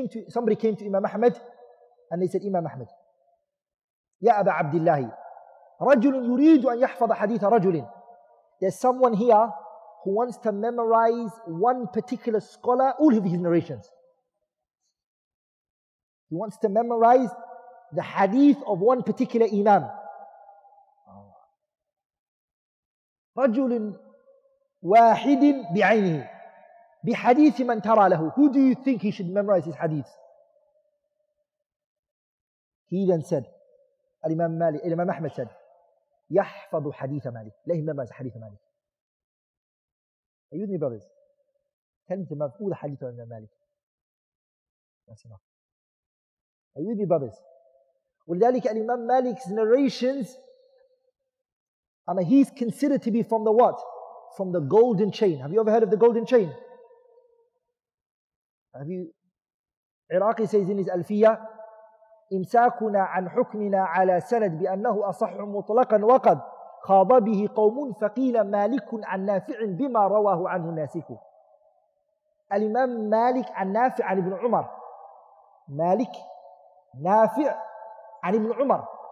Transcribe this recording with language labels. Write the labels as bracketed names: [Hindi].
[English] Somebody came to Imam Ahmed and they said, Imam Ahmed, [Arabic] يَا أَبَا عَبْدِ اللَّهِ رَجُلٌ يُرِيدُ أَنْ يَحْفَظَ حَدِيثَ رَجُلٍ. [English] There's someone here who wants to memorize one particular scholar, all of his narrations. He wants to memorize the hadith of one particular imam. [Arabic] رجل واحد بعينه بحديث من ترى له. [English] Who do you think he should memorize his hadith? He then said, Imam Malik, Imam Ahmed said, [Arabic] يحفظ حديث مالك. [English] Let him memorize [Arabic] حديث مالك. [English] Are you with me, brothers? Tell him to memorize all the hadith of Imam Malik. That's enough. Are you with me, brothers? [Arabic] ولذلك [English] Imam Malik's narrations, I mean, he's considered to be from the what? From the golden chain. Have you ever heard of the golden chain? Iraqi says in his Alfiya, [Arabic] إِمْسَاكُنَا عَنْ حُكْمِنَا عَلَى سَنَدْ بِأَنَّهُ أَصَحُ مُطْلَقًا وَقَدْ خَاضَ بِهِ قَوْمٌ فَقِيلَ مَالِكٌ عَنْ نَافِعٍ بِمَا رَوَاهُ عَنْهُ نَاسِكُ. Al-Imam Malik عَنْ نَافِعٍ عَنْ إِبْنُ عُمَرْ. Malik, نَافِعٍ عَنْ إِبْنُ عُمَرْ.